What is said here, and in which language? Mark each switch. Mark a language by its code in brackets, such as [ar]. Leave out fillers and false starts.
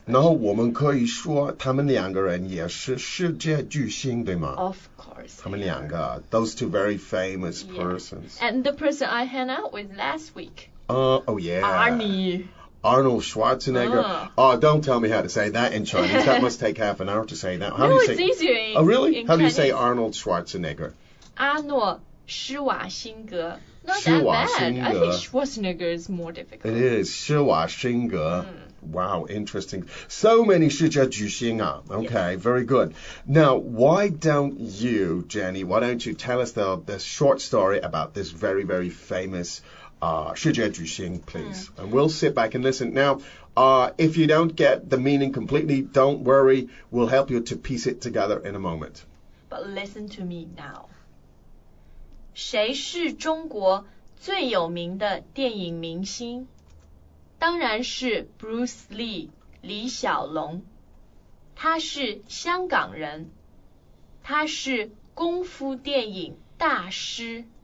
[zh] 然后我们可以说他们两个人也是世界巨星对吗 [en] Of course. [zh] 他们两个 [en] those two very famous、yeah. persons. And the person I hung out with last week. Arnie. Arnold Schwarzenegger. Oh, don't tell me how to say that in Chinese. That must take half an hour to say that. How no, do you say, it's easier in Oh, really? In how、 Chinese. Do you say Arnold Schwarzenegger? Arnold Schwarzenegger. Not Schwarzenegger. That bad. I think Schwarzenegger is more difficult. It is. Schwarzenegger.、 Mm. Wow, interesting. So many 世界巨星啊.Okay,、 yes. very good. Now, why don't you, Jenny, why don't you tell us the short story about this very, very famous... 世界巨星, please.、 Mm. And we'll sit back and listen. Now,、if you don't get the meaning completely, don't worry. We'll help you to piece it together in a moment. But listen to me now. [zh] 谁是中国最有名的电影明星？当然是 Bruce Lee, 李小龙。他是香港人。他是功夫电影大师。